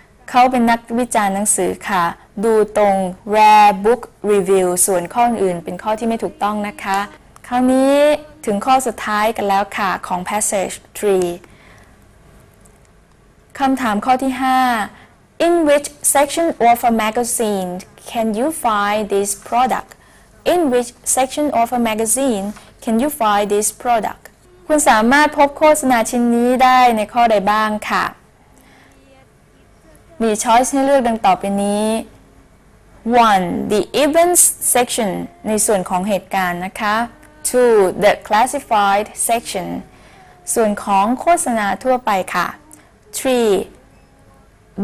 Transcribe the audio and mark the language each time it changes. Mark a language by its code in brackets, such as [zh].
[th] เขาเป็นนักวิจารณ์หนังสือค่ะดูตรง [en] rare book review [th] ส่วนข้ออื่นเป็นข้อที่ไม่ถูกต้องนะคะคราวนี้ถึงข้อสุดท้ายกันแล้วค่ะของ passage 3คำถามข้อที่5 [en] In which section of a magazine can you find this product? In which section of a magazineCan you find this product? [th] คุณสามารถพบโฆษณาชิ้นนี้ได้ในข้อใดบ้างค่ะมีช้อยส์ให้เลือกดังต่อไปนี้ 1. [en] The events section [th] ในส่วนของเหตุการณ์นะคะ 2. [en] The classified section [th] ส่วนของโฆษณาทั่วไปค่ะ 3.